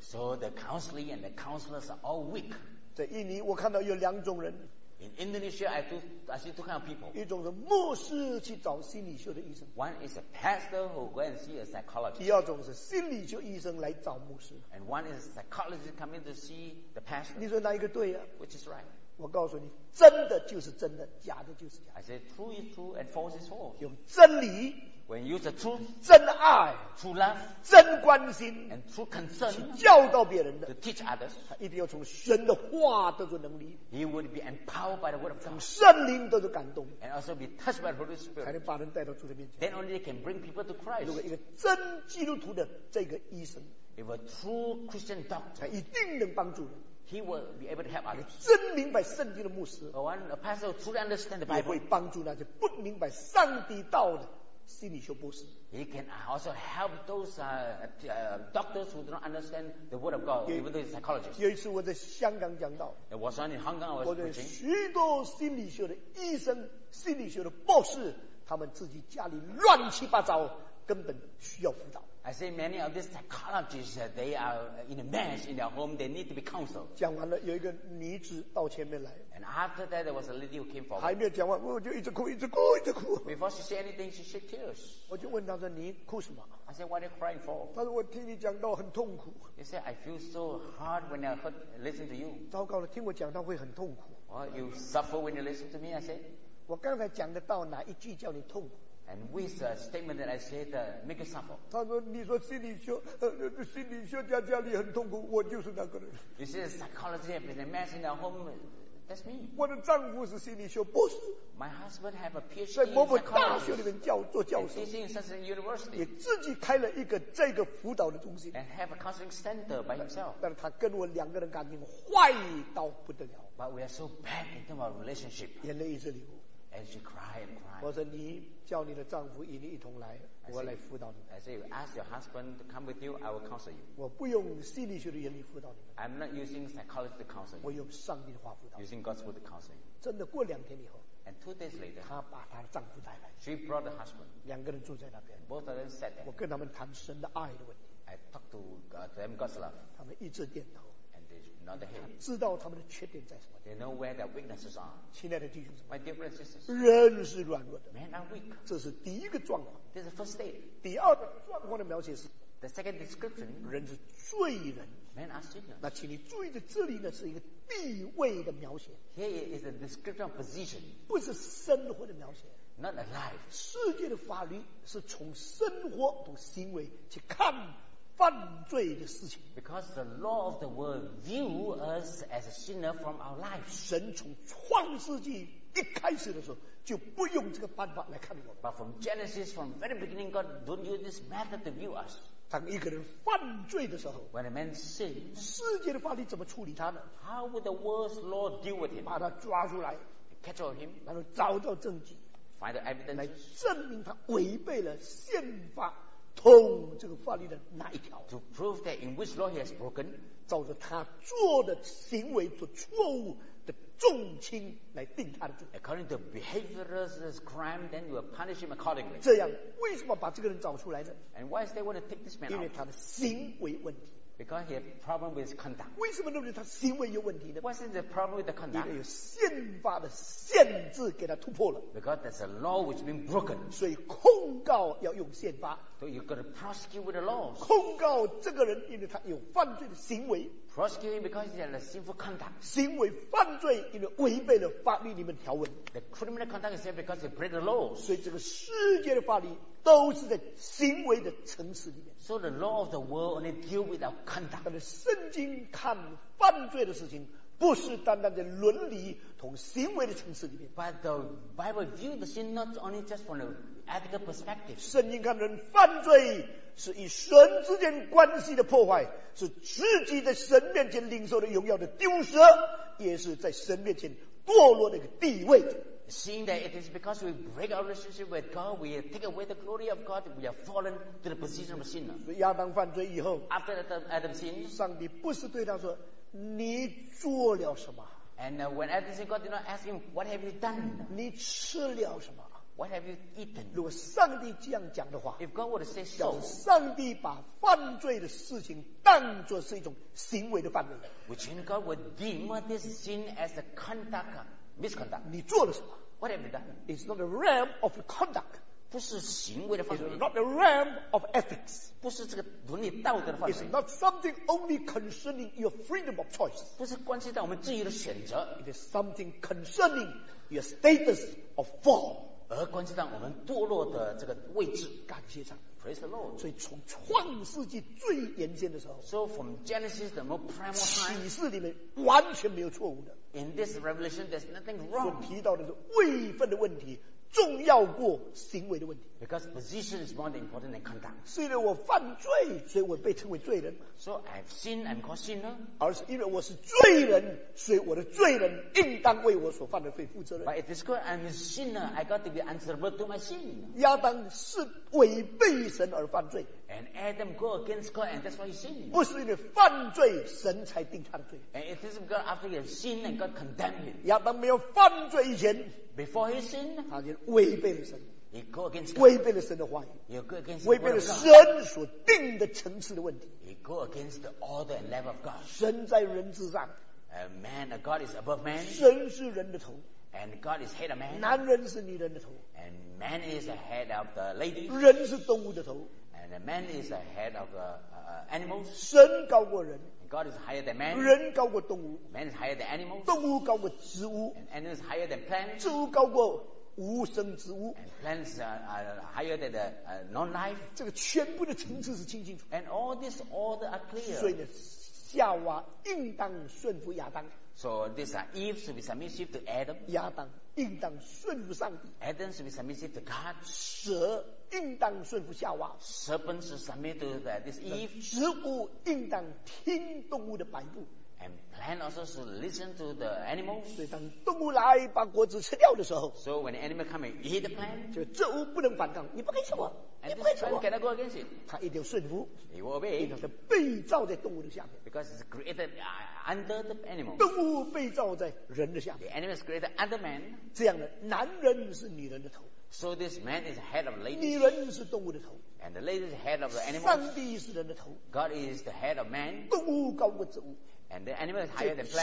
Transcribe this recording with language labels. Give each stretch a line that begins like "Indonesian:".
English: So the counselee and the counselors are all weak.
Chinese: 在印尼，我看到有两种人。
English: In Indonesia, I see two kind of people.
Chinese: 一种是牧师去找心理学的医生。
English: One is a pastor who go and see a psychologist.
Chinese: 第二种是心理学医生来找牧师。
English: And one is a psychologist coming to see the pastor.
Chinese: 你说哪一个对啊？
English: Which is right?
Chinese: 我告诉你，真的就是真的，假的就是假的。
English: I say true is true and false is false.
Chinese: 用真理。
English: When you use the truth,
Chinese: 真爱
English: true love,
Chinese: 真关心
English: and true concern,
Chinese: 去教导别人的
English: to teach others,
Chinese: 他一定要从神的话得出能力
English: he would be empowered by the word of God,
Chinese: 从圣灵得出感动
English: and also be touched by the Holy Spirit,
Chinese: 才能把人带到主的面前
English: then only they can bring people to Christ.
Chinese: 如果一个真基督徒的这个医生
English: if a true Christian doctor,
Chinese: 他一定能帮助人
English: He will be able to help others.
Chinese: 真明白圣经的牧师
English: or one, a pastor who truly understands the Bible,
Chinese: 也会帮助那些不明白上帝道的心理学博士
English: He can also help those doctors who do not understand the word of God, even though he's a psychologist.
Chinese: 有一次我在香港讲道
English: It was in Hong Kong I was preaching.
Chinese: 我许多心理学的医生、心理学的博士，他们自己家里乱七八糟，根本需要辅导。
English: I say many of these psychologists, they are in a mess in their home. They need to be counseled.
Chinese: 讲完了，有一个女子到前面来。
English: And after that, there was a lady who came forward.
Chinese: 还没有讲完，我就一直哭，一直哭，一直哭。
English: Before she said anything, she shed tears.
Chinese: 我就问她说：“你哭什么？”
English: I said, "What are you crying for?"
Chinese: 她说：“我听你讲到很痛苦。”
English: She said, "I feel so hard when I heard listen to you."
Chinese: 糟糕了，听我讲到会很痛苦。
English: Well, you suffer when you listen to me. I said,
Chinese: 我刚才讲的到哪一句叫你痛苦？
English: And with a statement that I said, make you suffer.
Chinese: 他说：“你说心理学，心理学家家里很痛苦，我就是那个人。”
English: You see, psychology has been a mess in our home. That's me.
Chinese: 我的丈夫是心理学博士。
English: My husband have a PhD in psychology.
Chinese: 在某某大学里面教做教授。
English: He's in such a university.
Chinese: 也自己开了一个这个辅导的中心。
English: And have a counseling center by himself.
Chinese: 但是他跟我两个人感情坏到不得了。
English: But we are so bad in terms of relationship.
Chinese: 眼泪一直流。
English: And she cried and cried.
Chinese: 我说你叫你的丈夫与你一同来，我来辅导你。
English: I say, you ask your husband to come with you, I will counsel you.
Chinese: 我不用心理学的原理辅导你。
English: I'm not using psychology to counsel you.
Chinese: 我用上帝的话辅导。
English: Using God's word to counsel you.
Chinese: 真的，过两天以后。
English: And 2 days later.
Chinese: 她把她的丈夫带来。
English: She brought the husband.
Chinese: 两个人住在那边。
English: Both of them sat there.
Chinese: 我跟他们谈神的爱的问题。
English: I talk to them God's love.
Chinese: 他们一直点头。
English: Not the head.
Chinese: 知道他们的缺点在什么。
English: They know where their weaknesses are.
Chinese: 亲爱的弟兄姊妹
English: My dear brothers and sisters.
Chinese: 人是软弱的。
English: Men are weak.
Chinese: 这是第一个状况。
English: This is the first state.
Chinese: 第二个状况的描写是。
English: The second description.
Chinese: 人是罪人。
English: Men are sinners.
Chinese: 那请你注意的这里呢是一个地位的描写。
English: Here is a description of position.
Chinese: 不是生活的描写。
English: Not a life.
Chinese: 世界的法律是从生活和行为去看。犯罪的事情
English: Because the law of the world view us as a sinner from our lives.
Chinese: 神从创世纪一开始的时候就不用这个办法来看我们
English: But from Genesis, from very beginning, God don't use this method to view us.
Chinese: 当一个人犯罪的时候
English: When a man sins,
Chinese: 世界的法律怎么处理他呢
English: How would the world's law deal with him?
Chinese: 把他抓出来
English: Catch on him,
Chinese: 然后找到证据
English: Find the evidence,
Chinese: 来证明他违背了宪法通这个法律的哪一条
English: ？To prove that in which law he has broken，
Chinese: 照着他做的行为做错误的重轻来定他的罪。
English: According to behaviorist's crime， then you will punish him accordingly。
Chinese: 这样为什么把这个人找出来呢
English: ？And why is they want to take this man out？
Chinese: 因为他的行为问题。
English: Because he had a problem with conduct.
Chinese: 为什么认为他行为有问题呢？
English: What is the problem with the conduct?
Chinese: 因为有宪法的限制给他突破了。
English: Because there's a law which been broken.
Chinese: 所以控告要用宪法。
English: So you've got to prosecute with the laws.
Chinese: 控告这个人，因为他有犯罪的行为。
English: Prosecute him because he had a sinful conduct.
Chinese: 行为犯罪，因为违背了法律里面条文。
English: The criminal conduct is because he break the laws.
Chinese: 所以这个世界的法律。都是在行为的层次里面。
English: So the law of the world only deal with our conduct.
Chinese: 但是圣经看犯罪的事情，不是单单在伦理同行为的层次里面。
English: But the Bible view the sin not only just from the ethical perspective.
Chinese: 圣经看人犯罪是与神之间关系的破坏，是自己在神面前领受的荣耀的丢失，也是在神面前堕落的一个地位。
English: Seeing that it is because we break our relationship with God, we take away the glory of God, we are fallen to the position of a sinner.
Chinese: 亚当犯罪以后，
English: after Adam sinned,
Chinese: 上帝不是对他说，你做了什么？
English: And when Adam sinned, God did not ask him, what have you done?
Chinese: 你吃了什么？
English: What have you eaten?
Chinese: 如果上帝这样讲的话，
English: if God would say so,
Chinese: 上帝把犯罪的事情当作是一种行为的范围，
English: which in God would deem this sin as a conduct. Misconduct.
Chinese: 你做了什么？
English: What have you done? It's not the realm of the conduct.
Chinese: 不是行为的范围。
English: It's not the realm of ethics.
Chinese: 不是这个伦理道德的范围。
English: It's not something only concerning your freedom of choice.
Chinese: 不是关系到我们自由的选择。
English: It is something concerning your status of fall.
Chinese: 而关系到我们堕落的这个位置。感谢上帝。
English: Praise the Lord.
Chinese: 所以从创世纪最原先的时候，
English: so from Genesis the most primal time,
Chinese: 启示里面完全没有错误的。
English: In this revelation, there's nothing wrong.
Chinese: 所提到的是位分的问题，重要过行为的问题。
English: Because position is more important than conduct.
Chinese: 是因为我犯罪，所以我被称为罪人。
English: So I've sinned, I'm called sinner.
Chinese: 而是因为我是罪人，所以我的罪人应当为我所犯的罪负责任。
English: But it is good, I'm a sinner, I got to be answerable to my sin.
Chinese: 亚当是违背神而犯罪。
English: And Adam go against God, and that's why he sinned.
Chinese: 不是因为犯罪，神才定他的罪。
English: And it is because after he has sinned, and God condemned him.
Chinese: 亚当没有犯罪以前，
English: before he sinned,
Chinese: 他就违背了神。
English: He go against God.
Chinese: 违背了神的话语。
English: He go against
Chinese: 违背了神所定的层次的问题。
English: He go against the order and level of God.
Chinese: 神在人之上。
English: A man, a God is above man.
Chinese: 神是人的头。
English: And God is head of man.
Chinese: 男人是女人的头。
English: And man is the head of the lady.
Chinese: 人是动物的头。
English: And a man is the head of the animals.
Chinese: 神高过人。
English: God is higher than man.
Chinese: 人高过动物。
English: Man is higher than animals.
Chinese: 动物高过植物。
English: And animals is higher than plants.
Chinese: 植物高过无生之物。
English: And plants are higher than the non-life.
Chinese: 这个全部的层次是清清楚。
English: And all this order are clear.
Chinese: 所以呢，夏娃应当顺服亚当。
English: So this Eve should be submissive to Adam.
Chinese: 亚当应当顺服上帝。
English: Adam should be submissive to God.
Chinese: 蛇应当顺服夏娃。
English: Serpent should submit to this Eve.
Chinese: 植物应当听动物的摆布。
English: And plant also should listen to the animals.
Chinese: 所以当动物来把果子吃掉的时候，
English: so when the animal come and eat the plant,
Chinese: 就这物不能反抗，你不可以吃我，
English: and
Chinese: 你不可以吃我。
English: Cannot go against it.
Chinese: 它一定顺服。
English: He will obey.
Chinese: 因为它是被造在动物的下面。
English: Because it's created under the animals.
Chinese: 动物被造在人的下面。
English: The animal is created under man.
Chinese: 这样的男人是女人的头。
English: So this man is head of lady.
Chinese: 女人是动物的头。
English: And the lady is head of the animals.
Chinese: 上帝是人的头。
English: God is the head of man.
Chinese: 动物高过植物。
English: And the animal is higher than plants.